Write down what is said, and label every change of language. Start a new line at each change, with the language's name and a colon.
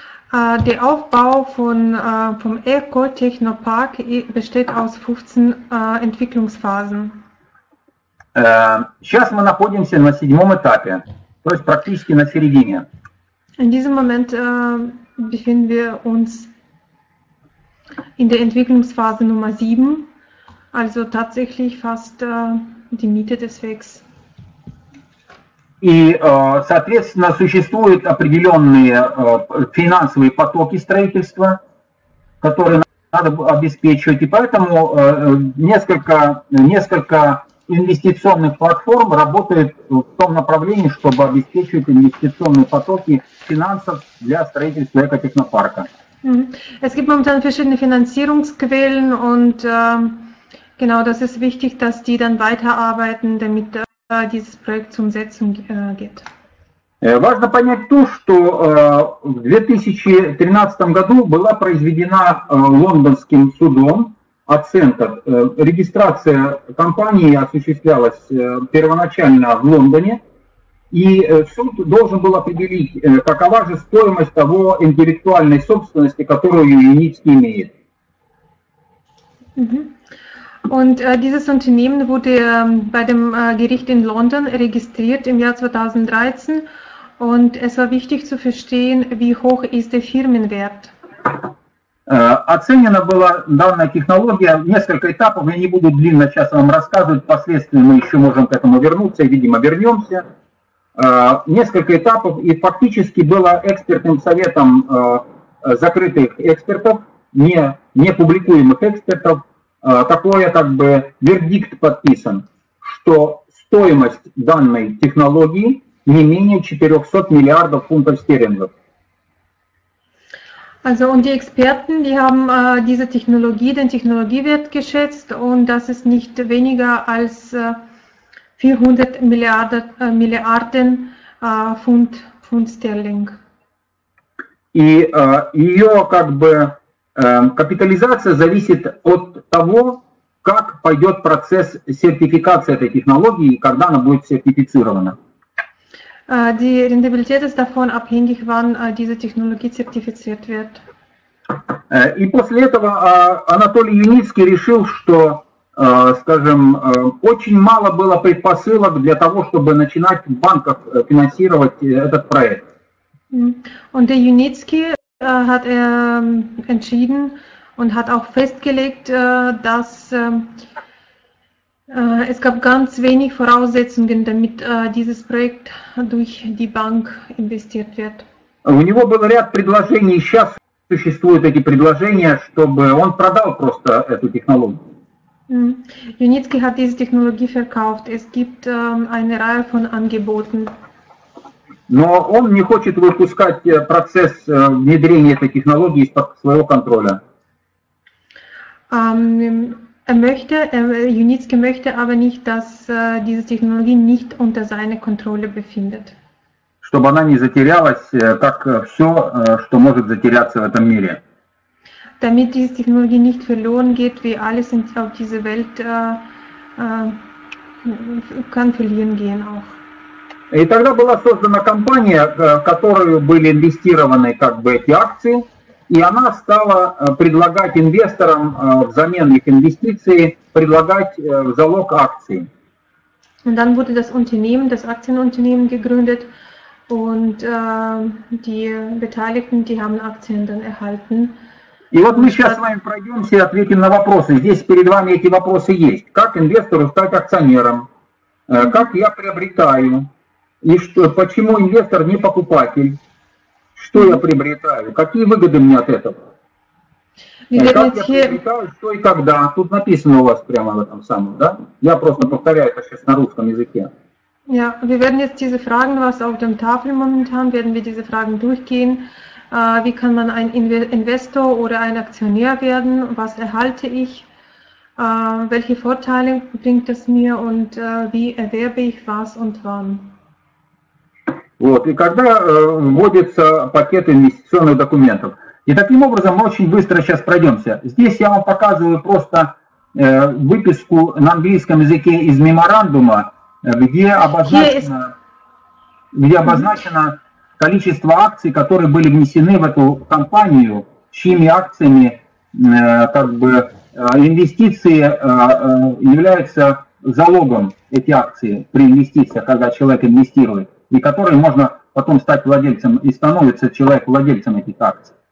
German: Der Aufbau vom Eco-Technopark besteht aus 15 Entwicklungsphasen.
Russian: Сейчас мы находимся на седьмом этапе, то есть практически на середине.
German: In diesem Moment befinden wir uns in der Entwicklungsphase Nummer 7, also tatsächlich fast die Mitte des Wegs.
Russian: И, соответственно, существуют определенные финансовые потоки строительства, которые надо обеспечивать. И поэтому несколько инвестиционных платформ работает в том направлении, чтобы обеспечивать инвестиционные потоки финансов для строительства экотехнопарка.
German: Es gibt momentan verschiedene Finanzierungsquellen und genau das ist wichtig, dass die dann weiterarbeiten, damit dieses Projekt zum Setzen geht.
Russian: Важно понять то, что в 2013 году была произведена лондонским судом Accenture. Регистрация компании осуществлялась первоначально в Лондоне. И суд должен был определить, какова же стоимость того интеллектуальной собственности, которую Юницк имеет.
German: Und dieses Unternehmen wurde bei dem Gericht in London registriert im Jahr 2013 und es war wichtig zu verstehen, wie hoch ist der Firmenwert.
Russian: Оценена была данная технология, несколько этапов, я не буду длинно сейчас вам рассказывать, впоследствии мы еще можем к этому вернуться, видимо вернемся. Несколько этапов и фактически было экспертным советом закрытых экспертов, не публикуемых экспертов. Такой, как бы, вердикт подписан, что стоимость данной технологии не менее 400 миллиардов фунтов стерлингов.
German: Also und die Experten, die haben diese Technologie, den Technologiewert geschätzt und das ist nicht weniger als 400 Milliarden
Russian: Фунт стерлинг. И ее, как бы, капитализация зависит от того, как пойдет процесс сертификации этой технологии и когда она будет сертифицирована.
German: Die Rentabilität ist davon abhängig, wann diese Technologie zertifiziert wird.
Russian: И после этого Анатолий Юницкий решил, что, скажем, очень мало было предпосылок для того, чтобы начинать в банках финансировать этот проект.
German: Und der Юницкий hat er entschieden und hat auch festgelegt, dass es gab ganz wenig Voraussetzungen, damit dieses Projekt durch die Bank investiert wird.
Russian: У него был ряд предложений, сейчас существуют эти предложения, чтобы он продал просто эту технологию.
German: Юницкий hat diese Technologie verkauft. Es gibt eine Reihe von Angeboten.
Russian: Но он не хочет выпускать процесс внедрения этой технологии из-под своего контроля.
German: Юницкий möchte aber nicht, dass diese Technologie nicht unter seiner Kontrolle befindet.
Russian: Чтобы она не затерялась, как все, что может затеряться в этом мире.
German: Damit diese Technologie nicht verloren geht, wie alles auf dieser Welt kann verlieren gehen auch.
Russian: И тогда была создана компания, в которую были инвестированы, как бы, эти акции, и она стала предлагать инвесторам взамен их инвестиций предлагать в залог акции.
German: Und dann wurde das Unternehmen, das Aktienunternehmen gegründet und die Beteiligten, die haben Aktien dann erhalten.
Russian: И вот мы сейчас с вами пройдемся и ответим на вопросы. Здесь перед вами эти вопросы есть. Как инвестору стать акционером? Как я приобретаю? И что, почему инвестор не покупатель? Что я приобретаю? Какие выгоды мне от этого? Что и когда? Тут написано у вас прямо в этом самом, да? Я просто повторяю это сейчас на русском языке.
German: Ja, wir werden jetzt diese Fragen, was auf dem Tafel momentan, werden wir diese Fragen durchgehen. Wie kann man ein Investor oder ein Aktionär werden? Was erhalte ich? Welche Vorteile bringt es mir? Und wie erwerbe ich was und wann?
Russian: Вот, и когда вводится пакет инвестиционных документов. И таким образом мы очень быстро сейчас пройдемся. Здесь я вам показываю просто выписку на английском языке из меморандума, где обозначено количество акций, которые были внесены в эту компанию, чьими акциями инвестиции являются залогом, эти акции при инвестициях, когда человек инвестирует, и которые можно потом стать владельцем, и становится человек владельцем этих акций.